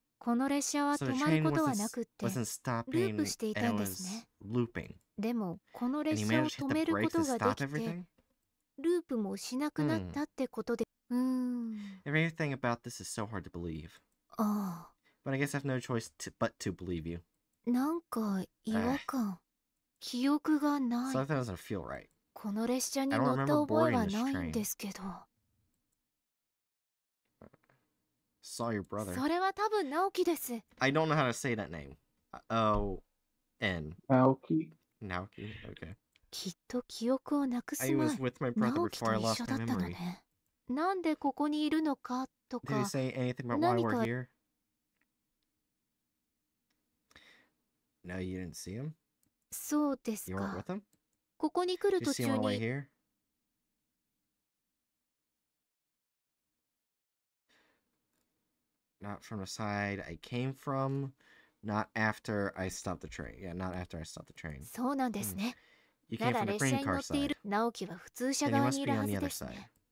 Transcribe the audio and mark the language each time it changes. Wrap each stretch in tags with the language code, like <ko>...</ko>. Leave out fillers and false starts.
<ja>この列車は止まることはなくて、</ja> <en>it was looping. About this is so hard to believe. ああ. But I guess I have no choice but to believe you.</en> <ja>なんか違和感。記憶がない.</ja> <en>Something doesn't feel right.</en> <ja>この列車に乗った覚えはないんですけど。</ja> <en>Saw your brother.</en> <ja>それは多分直樹です.</ja> <en>I don't know how to say that name. O-N. Naoki? Naoki, okay.</en> <ja>きっと記憶をなくす前,</ja> <en>I was with my brother before I lost my memory.</en> <ja>なんでここにいるのかとか,</ja> <en>did he say anything about</en> <ja>何か...</ja> <en>why we're here? No, you didn't see him?</en> <ja>そうですか.</ja> <en>You weren't with him?</en> <ja>ここに来る途中に...</ja> <en>You see him all the way here? Not from the side I came from, not after I stopped the train. Yeah, not after I stopped the train.</en> <ja>そうなんですね.</ja> <en>You came from the train car side.</en> <ja>なおきは普通車側にいるはずですね.</ja>